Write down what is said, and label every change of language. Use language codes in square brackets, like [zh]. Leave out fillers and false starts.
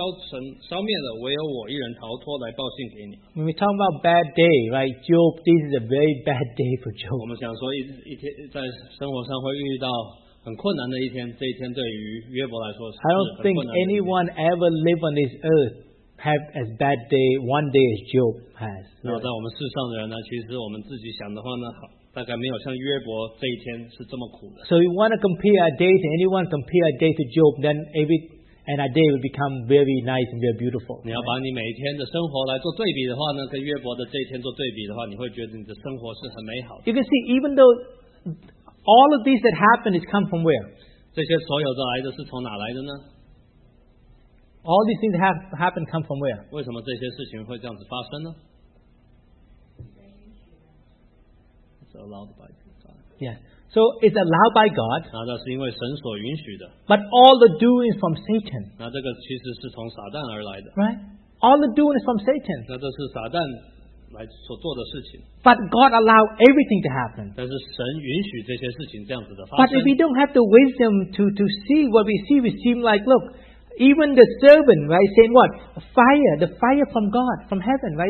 [zh] 他还说话的时候，又有人来说，神从天上降下火来，将群羊和仆人都烧灭了，唯有我一人逃脱来报信给你。 [en] When we talk about bad day, right? Job, this is a very bad day for Job. [zh] 我们想说，一天在生活上会遇到很困难的一天，这一天对于约伯来说是很困难的。 [en] I don't think anyone ever lived on this earth have as bad day one day as Job has. [zh] 那在我们世上的人呢，其实我们自己想的话呢，好。 [en] So we want to compare our day to anyone, compare our day to Job, then our day will become very nice and very beautiful. Right? You can see, even though all of these that happened has come from where? All these things that have happened come from where? [zh] 为什么这些事情会这样子发生呢? [en] So it's allowed by God. [zh] 那这是因为神所允许的。 [en] But all the doing is from Satan. [zh] 那这个其实是从撒旦而来的。 [en] Right? All the doing is from Satan. [zh] 那这是撒旦来所做的事情。 [en] But God allowed everything to happen. [zh] 但是神允许这些事情这样子的发生。 [en] But if we don't have the wisdom to see what we see, we seem like, look, even the servant, right, saying what? Fire, the fire from God, from heaven, right?